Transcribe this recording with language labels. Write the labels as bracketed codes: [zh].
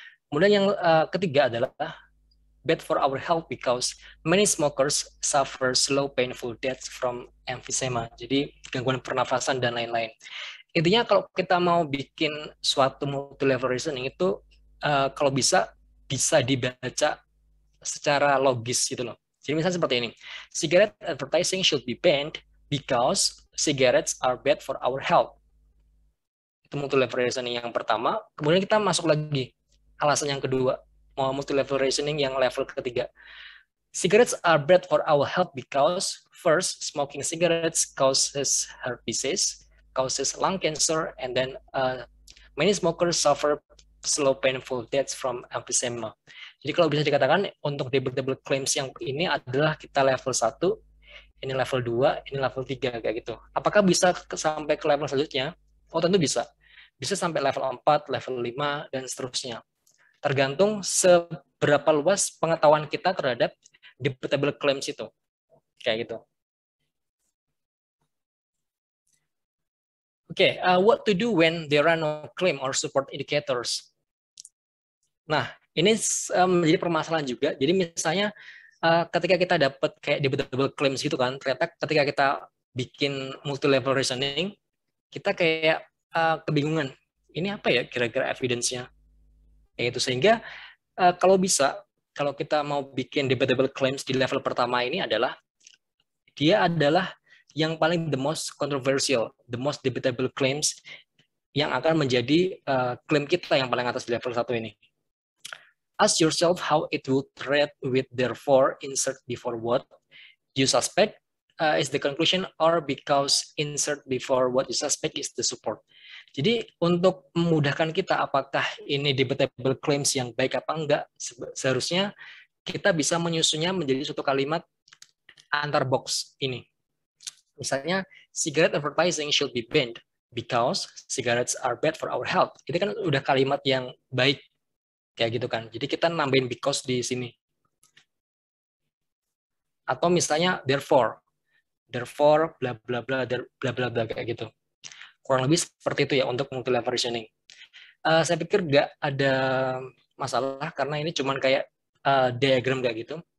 [id] Kemudian yang ketiga adalah [en] bad for our health because many smokers suffer slow painful deaths from emphysema. [id] Jadi gangguan pernafasan dan lain-lain. Intinya kalau kita mau bikin suatu multi-level reasoning itu kalau bisa bisa dibaca secara logis gitu loh. Jadi misalnya seperti ini. [en] Cigarette advertising should be banned because cigarettes are bad for our health. [id] Itu multi-level reasoning yang pertama. Kemudian kita masuk lagi alasan yang kedua. Mau multi-level reasoning yang level ketiga. [en] Cigarettes are bad for our health because first, smoking cigarettes causes heart disease, causes lung cancer, and then many smokers suffer slow painful deaths from emphysema. [id] Jadi kalau bisa dikatakan untuk debatable claims yang ini adalah kita level 1, ini level 2, ini level 3, kayak gitu. Apakah bisa sampai ke level selanjutnya? Oh tentu bisa. Bisa sampai level 4, level 5, dan seterusnya. Tergantung seberapa luas pengetahuan kita terhadap debatable claims itu. Kayak gitu. [en] Oke, okay, what to do when there are no claim or support indicators? [id] Nah, ini menjadi permasalahan juga. Jadi misalnya ketika kita dapat kayak debatable claims gitu kan, ternyata ketika kita bikin multi-level reasoning, kita kayak kebingungan. Ini apa ya kira-kira evidence-nya? Itu sehingga kalau bisa, kalau kita mau bikin debatable claims di level pertama ini adalah dia adalah yang paling [en] the most controversial, the most debatable claims [id] yang akan menjadi claim kita yang paling atas di level 1 ini. [en] Ask yourself how it would read with therefore insert before what you suspect is the conclusion or because insert before what you suspect is the support. [id] Jadi untuk memudahkan kita apakah ini debatable claims yang baik apa enggak, seharusnya kita bisa menyusunnya menjadi suatu kalimat antar box ini. [en] Misalnya, cigarette advertising should be banned because cigarettes are bad for our health. [id] Itu kan udah kalimat yang baik. Kayak gitu kan. Jadi kita nambahin because di sini. Atau misalnya, therefore. Therefore, bla bla bla, bla bla bla, kayak gitu. Kurang lebih seperti itu ya untuk multi-level reasoning. Saya pikir nggak ada masalah karena ini cuman kayak diagram kayak gitu.